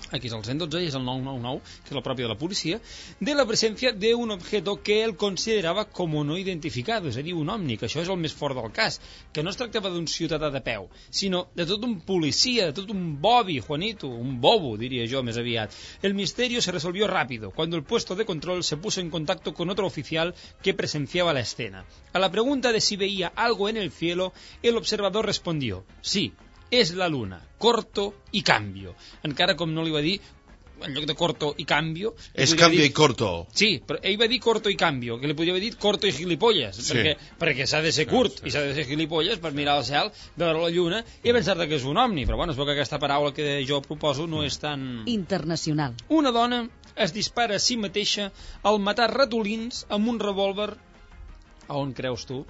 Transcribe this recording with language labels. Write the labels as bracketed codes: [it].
[ca] Aquí és el 112 i és el 999, que és la pròpia de la policia, de la presència d'un objeto que ell considerava com no identificat, és a dir, un òmnic. Això és el més fort del cas, que no es tractava d'un ciutadà de peu, sinó de tot un policia, de tot un bobi, Juanito, un bobo, diria jo, més aviat. [es] El misterio se resolvió rápido, cuando el puesto de control se puso en contacto con otro oficial que presenciaba la escena. A la pregunta de si veía algo en el cielo, el observador respondió, sí, es la luna, corto y cambio. [ca] Encara com no li va dir... en lloc de corto i cambio... És cambio i corto. Sí, però ell va dir corto i cambio, que li podria haver dit corto i gilipolles, sí. perquè s'ha de ser curt i s'ha de ser gilipolles per mirar el cel, veure la lluna i pensar que és un omni. Però bueno, es veu que aquesta paraula que jo proposo no és tan... internacional. Una dona es dispara a si mateixa al matar ratolins amb un revòlver. A on creus tu?